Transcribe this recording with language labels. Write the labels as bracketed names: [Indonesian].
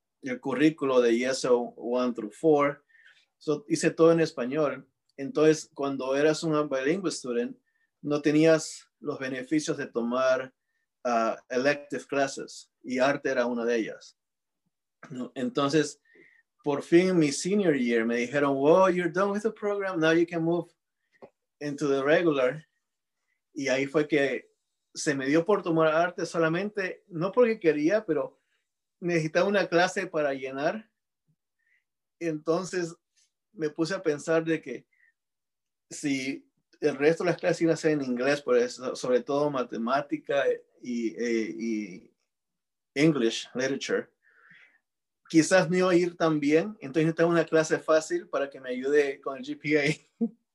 [Spanish] el currículo de ESL [English] 1 through 4. [Spanish] So, hice todo en español. Entonces, cuando eras un [English] bilingual student, [Spanish] no tenías los beneficios de tomar [English] elective classes, [Spanish] y arte era una de ellas. Entonces, por fin, mi [English] senior year, [Spanish] me dijeron, [English] well, you're done with the program, now you can move into the regular. [Spanish] Y ahí fue que se me dio por tomar arte solamente, no porque quería, pero necesitaba una clase para llenar. Entonces, me puse a pensar de que si el resto de las clases iban a ser en inglés, por eso, sobre todo matemática y [English] English literature, [Spanish] quizás no iba a ir tan bien, entonces necesitaba una clase fácil para que me ayude con el GPA.